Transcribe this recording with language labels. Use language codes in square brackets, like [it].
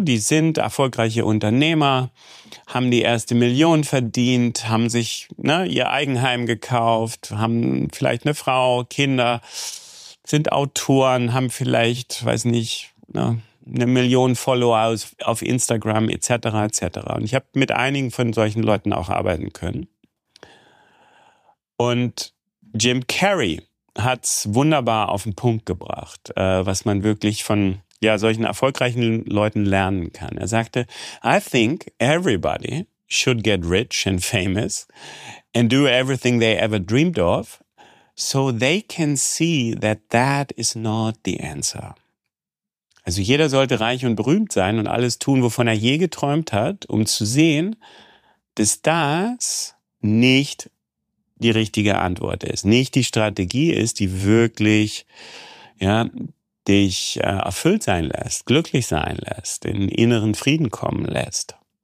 [de] Die sind erfolgreiche Unternehmer, haben die erste Million verdient, haben sich ihr Eigenheim gekauft, haben vielleicht eine Frau, Kinder, sind Autoren, haben vielleicht, weiß nicht, ne, eine Million Follower auf Instagram etc. etc. Und ich habe mit einigen von solchen Leuten auch arbeiten können. Und Jim Carrey hat es wunderbar auf den Punkt gebracht, was man wirklich von solchen erfolgreichen Leuten lernen kann. Er sagte, [en] I think everybody should get rich and famous and do everything they ever dreamed of, so they can see that that is not the answer. [de] Also jeder sollte reich und berühmt sein und alles tun, wovon er je geträumt hat, um zu sehen, dass das nicht die richtige Antwort ist, nicht die Strategie ist, die wirklich dich erfüllt sein lässt, glücklich sein lässt, in inneren Frieden kommen lässt.